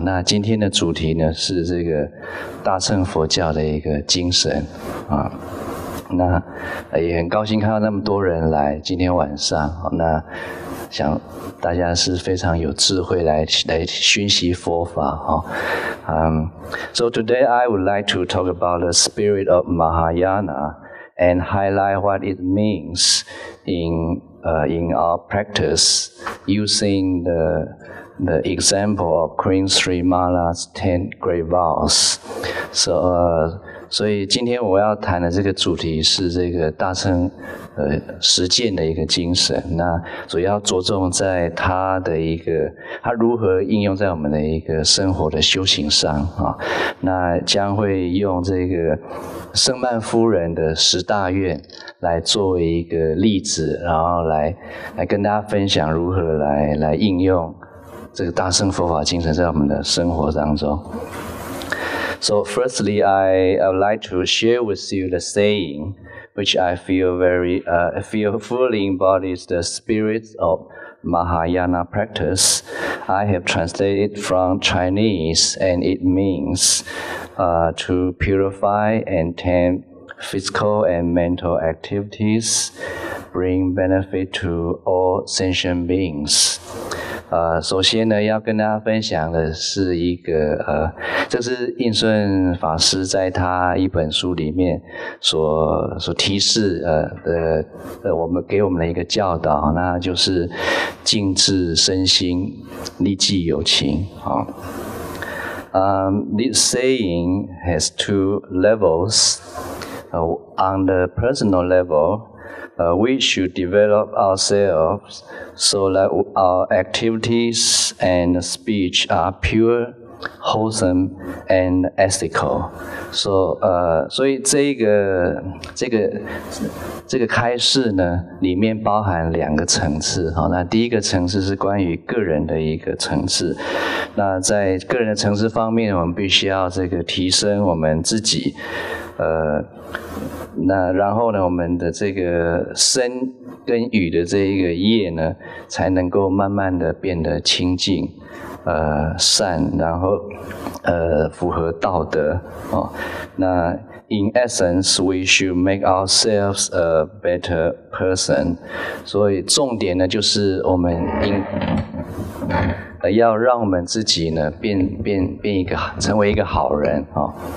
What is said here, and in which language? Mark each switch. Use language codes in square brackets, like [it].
[zh] 那今天的主题呢是这个大乘佛教的一个精神啊。那也很高兴看到那么多人来今天晚上。那想大家是非常有智慧来熏习佛法哈。 [en] So today I would like to talk about the spirit of Mahayana and highlight what it means in our practice using the example of Queen Sri Mala's 10 Great Vows. [zh] So, 所以今天我要谈的这个主题是这个大乘实践的一个精神，那主要着重在它如何应用在我们的一个生活的修行上啊。那将会用这个圣曼夫人的十大愿来作为一个例子，然后来跟大家分享如何来应用这个大乘佛法精神在我们的生活当中。 [en] So firstly, I would like to share with you the saying, which I feel feel fully embodies the spirit of Mahayana practice. I have translated it from Chinese, and it means to purify and tame physical and mental activities, bring benefit to all sentient beings. [zh] 首先呢要跟大家分享的是一个这是印顺法师在他一本书里面所提示我们给我们的一个教导，那就是静置身心利济有情啊。 [en] This saying has two levels. On the personal level,we should develop ourselves so that our activities and speech are pure, wholesome, and ethical. [zh] So, 所以这个开示呢，里面包含两个层次。好，那第一个层次是关于个人的一个层次。那在个人的层次方面，我们必须要这个提升我们自己，那然后呢，我们的这个身跟语的这一个业呢，才能够慢慢的变得清净，善，然后符合道德哦。 [en] 那 in essence, we should make ourselves a better person. [zh] 所以重点呢，就是我们要让我们自己呢变一个成为一个好人哦。